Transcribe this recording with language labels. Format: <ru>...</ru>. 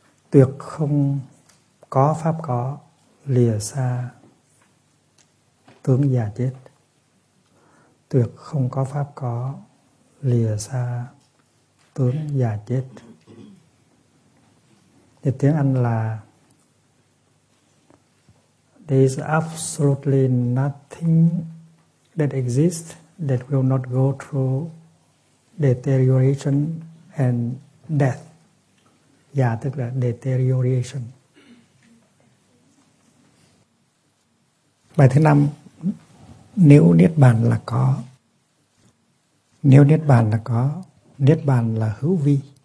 <vi>Tuyệt không có pháp có, lìa xa tướng già chết. Tuyệt không có pháp có, lìa xa tướng già chết. Thì tiếng Anh là</vi> <en>there is absolutely nothing that exists that will not go through deterioration and death.</en> <vi>Già tức là deterioration. Bài thứ năm, nếu Niết Bàn là có. Nếu Niết Bàn là có, Niết Bàn là hữu vi.</vi>